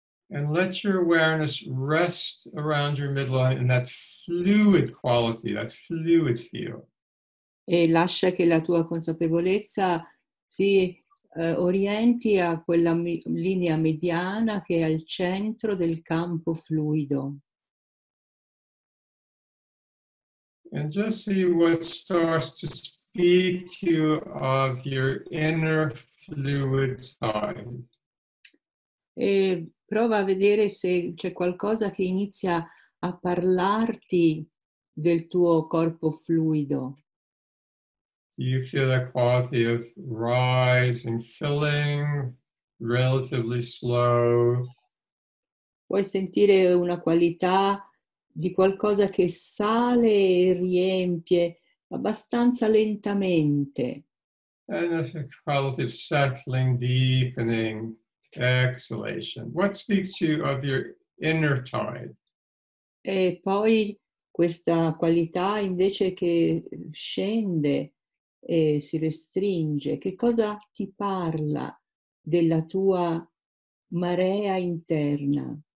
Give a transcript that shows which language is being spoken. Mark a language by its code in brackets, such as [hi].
[en] And let your awareness rest around your midline in that fluid quality, that fluid feel. [it] E lascia che la tua consapevolezza si orienti a quella linea mediana che è al centro del campo fluido. [en] And just see what starts to speak to you of your inner fluid time. [it] E prova a vedere se c'è qualcosa che inizia a parlarti del tuo corpo fluido. [en] Do you feel that quality of rise and filling, relatively slow? [it] Puoi sentire una qualità di qualcosa che sale e riempie abbastanza lentamente? [en] And a quality of settling, deepening, exhalation. What speaks to you of your inner tide? [it] E poi questa qualità invece che scende e si restringe, che cosa ti parla della tua marea interna?